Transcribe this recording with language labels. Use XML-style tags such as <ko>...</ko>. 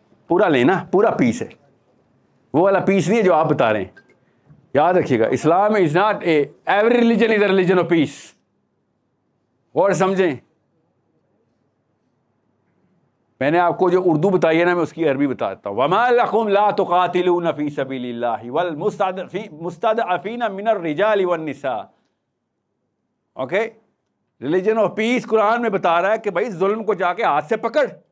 <ur>پورا لینا پورا پیس ہے, وہ والا پیس نہیں ہے جو آپ بتا رہے ہیں. یاد رکھیے گا,</ur> <en>Islam is not a every religion is a religion of peace.</en> <ur>اور سمجھیں, میں نے آپ کو جو اردو بتائی ہے نا, میں اس کی عربی بتا دیتا ہوں.</ur> <ar>وما لکم لا تقاتلون فی سبیل اللہ والمستضعفین من الرجال والنساء.</ar> <ur>اوکے, ریلیجن آف پیس قرآن میں بتا رہا ہے کہ بھائی ظلم کو جا کے ہاتھ سے پکڑ.</ur>